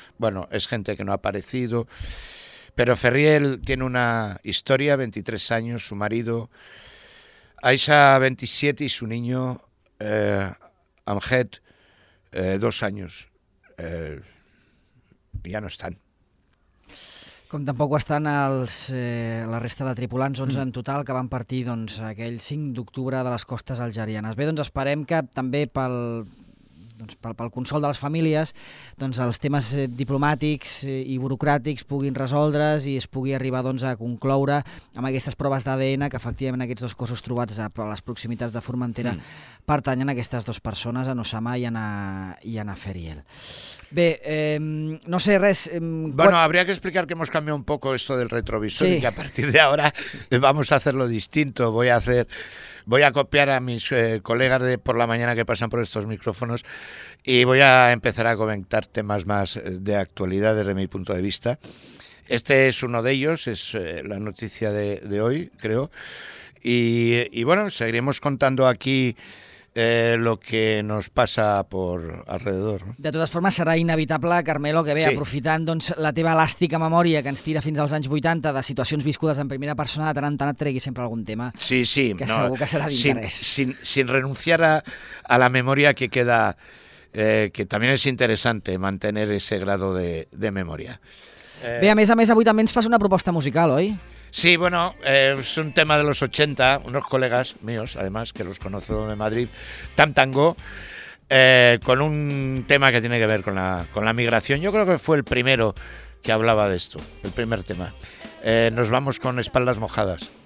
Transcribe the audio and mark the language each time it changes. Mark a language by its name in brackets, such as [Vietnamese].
[Spanish] Bueno, es gente que no ha aparecido. Pero Ferriel tiene una historia, 23 años, su marido, Aisha, 27, y su niño, Amjet, 2 años. Ya no están. [Catalan] Com tampoc estan la resta de tripulants, 11 en total, que van partir doncs, aquell 5 d'octubre de les costes algerianes. Bé, doncs esperem que també pel consol de les famílies, doncs els temes diplomàtics i burocràtics puguin resoldre's i es pugui arribar doncs, a concloure amb aquestes proves d'ADN que efectivament aquests dos cossos trobats a les proximitats de Formentera pertanyen a aquestes dues persones, a Nosama i a Ferriel. Bé, no sé res... [Spanish] Bueno, habría que explicar que hemos cambiado un poco esto del retrovisor y que a partir de ahora vamos a hacerlo distinto. Voy a copiar a mis colegas de por la mañana que pasan por estos micrófonos y voy a empezar a comentar temas más de actualidad desde mi punto de vista. Este es uno de ellos, es la noticia de hoy, creo. Y bueno, seguiremos contando aquí lo que nos pasa por alrededor. [Catalan] De totes formes, serà inevitable, Carmelo, que bé, aprofitant doncs, la teva elàstica memòria que ens tira fins als anys 80 de situacions viscudes en primera persona, de tant en tant et tregui sempre algun tema que no, segur que serà d'interès. [Spanish] Sin renunciar a la memòria que queda, [Catalan] que també és interessant mantenir [Spanish] ese grado de memòria. [Catalan] Bé, a més, avui també ens fas una proposta musical, oi? [Spanish] Sí, bueno, es un tema de los 80, unos colegas míos, además, que los conozco de Madrid, Tam Tango, con un tema que tiene que ver con la migración. Yo creo que fue el primero que hablaba de esto, el primer tema. Nos vamos con espaldas mojadas.